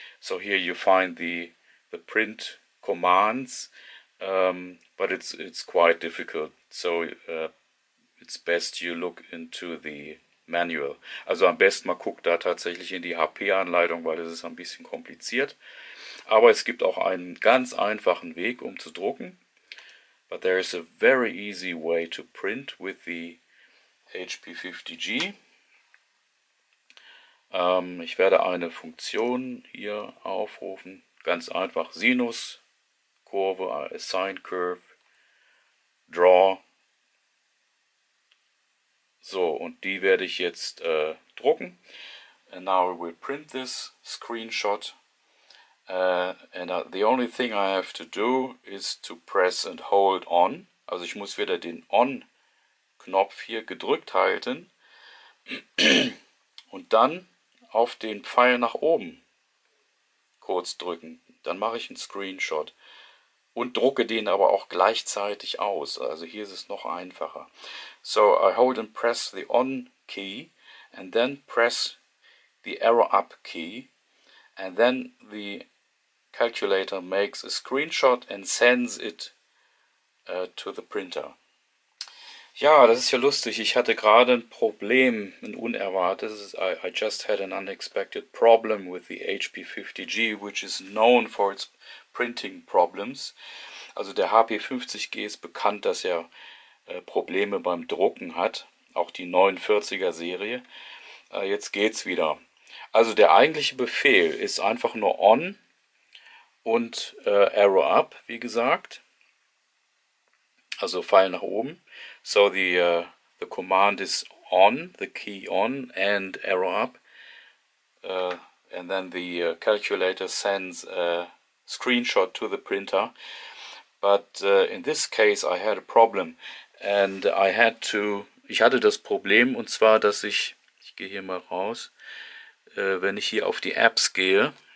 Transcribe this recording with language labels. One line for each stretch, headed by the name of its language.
English: So here you find the print commands, but it's quite difficult. So it's best you look into the manual.
German: Also am besten mal guckt da tatsächlich in die HP-Anleitung, weil das ist ein bisschen kompliziert. Aber es gibt auch einen ganz einfachen Weg, um zu drucken.
English: But there is a very easy way to print with the HP50G.
German: Ich werde eine Funktion hier aufrufen, ganz einfach Sinuskurve, Assign Curve, Draw. So, und die werde ich jetzt drucken.
English: And now I will print this screenshot. The only thing I have to do is to press and hold on.
German: Also ich muss wieder den On-Knopf hier gedrückt halten. Und dann auf den Pfeil nach oben kurz drücken, dann mache ich einen Screenshot und drucke den aber auch gleichzeitig aus. Also hier ist es noch einfacher.
English: So I hold and press the on key and then press the arrow up key and then the calculator makes a screenshot and sends it to the printer.
German: Ja, das ist ja lustig. Ich hatte gerade ein Problem, ein unerwartetes.
English: I just had an unexpected problem with the HP50G, which is known for its printing problems.
German: Also der HP50G ist bekannt, dass er Probleme beim Drucken hat. Auch die 49er Serie. Jetzt geht's wieder. Also der eigentliche Befehl ist einfach nur on und arrow up, wie gesagt. Also Pfeil nach oben.
English: So the command is on, the key on and arrow up. And then the calculator sends a screenshot to the printer. But in this case I had a problem. And I had to,
German: ich hatte das Problem und zwar, dass ich gehe hier mal raus, wenn ich hier auf die Apps gehe.